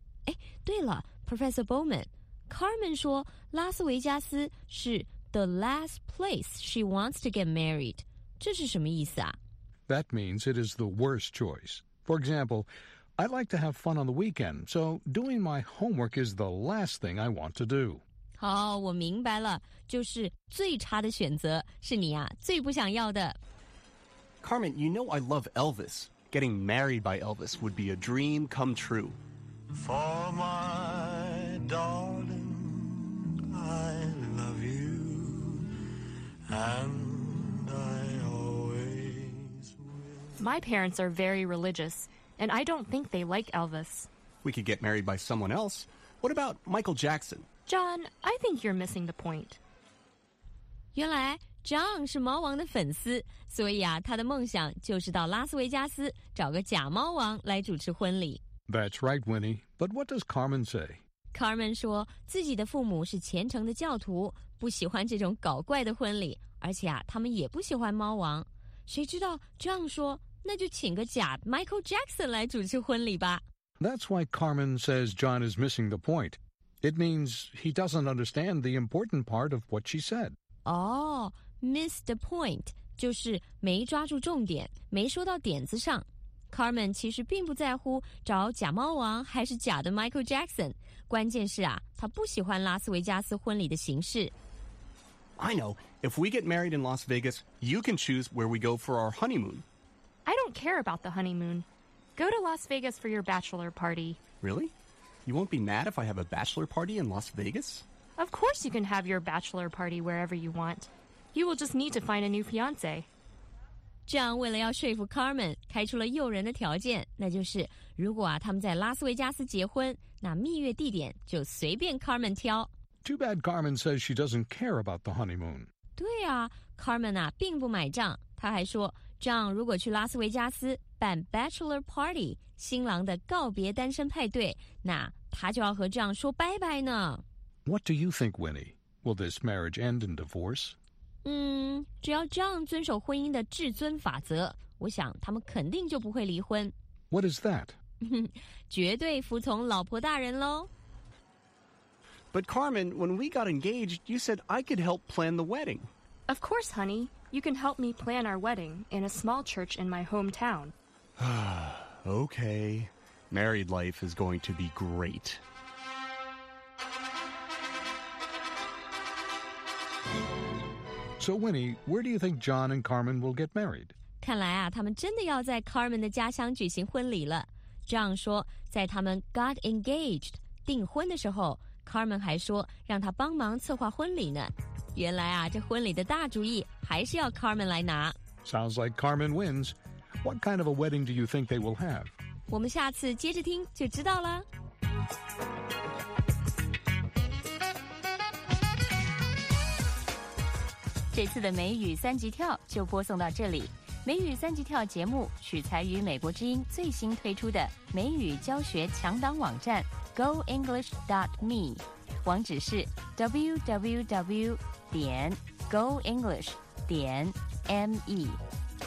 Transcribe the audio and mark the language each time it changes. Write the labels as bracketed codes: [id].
[zh] 哎，对了 [en] ,Professor Bowman, Carmen [zh] 说拉斯维加斯是 [en] the last place she wants to get married. [zh] 这是什么意思啊？ [en] That means it is the worst choice. For example,I'd like to have fun on the weekend, so doing my homework is the last thing I want to do. [zh] 好，我明白了，就是最差的选择是你啊，最不想要的。 [en] Carmen, you know I love Elvis. Getting married by Elvis would be a dream come true. For my darling, I love you, and I always will. My parents are very religious. And I don't think they like Elvis. We could get married by someone else. What about Michael Jackson? John, I think you're missing the point. [zh] 原来 John 是猫王的粉丝，所以啊，他的梦想就是到拉斯维加斯找个假猫王来主持婚礼。 [en] That's right, Winnie. But what does Carmen say? [zh] Carmen 说自己的父母是虔诚的教徒，不喜欢这种搞怪的婚礼，而且啊，他们也不喜欢猫王。谁知道 John 说。那就请个假 Michael Jackson 来主持婚礼吧。 [en] That's why Carmen says John is missing the point. It means he doesn't understand the important part of what she said. [zh] Oh, [en] miss the point [zh] 就是没抓住重点，没说到点子上。 Carmen 其实并不在乎找假猫王还是假的 Michael Jackson， 关键是啊，他不喜欢拉斯维加斯婚礼的形式。 [en] I know. If we get married in Las Vegas, you can choose where we go for our honeymoon. I don't care about the honeymoon. Go to Las Vegas for your bachelor party. Really? You won't be mad if I have a bachelor party in Las Vegas? Of course you can have your bachelor party wherever you want. You will just need to find a new fiancé. [zh] John 为了要说服 Carmen, 开出了诱人的条件，那就是如果啊他们在拉斯维加斯结婚，那蜜月地点就随便 Carmen 挑。 [en] Too bad Carmen says she doesn't care about the honeymoon. [zh] 对啊 ,Carmen 啊并不买账，他还说John 如果去拉斯维加斯办 [en] bachelor party, [zh] 新郎的告别单身派对，那他就要和 John 说拜拜呢。 [en] What do you think, Winnie? Will this marriage end in divorce? [zh] 只要 John 遵守婚姻的至尊法则，我想他们肯定就不会离婚。 [en] What is that? [zh] 绝对服从老婆大人咯。 [en] But Carmen, when we got engaged, you said I could help plan the wedding. Of course, honey. You can help me plan our wedding in a small church in my hometown. Okay. Married life is going to be great. So, Winnie, where do you think John and Carmen will get married? [zh] 看来啊，他们真的要在 Carmen 的家乡举行婚礼了。 John 说，在他们 [en] got engaged, [zh] 订婚的时候， Carmen 还说让他帮忙策划婚礼呢。原来啊，这婚礼的大主意还是要 Carmen 来拿。 [en] Sounds like Carmen wins. What kind of a wedding do you think they will have? [zh] 我们下次接着听就知道了。这次的美语三级跳就播送到这里。美语三级跳节目取材于美国之音最新推出的美语教学强档网站 goenglish.me， 网址是 www.goenglish.me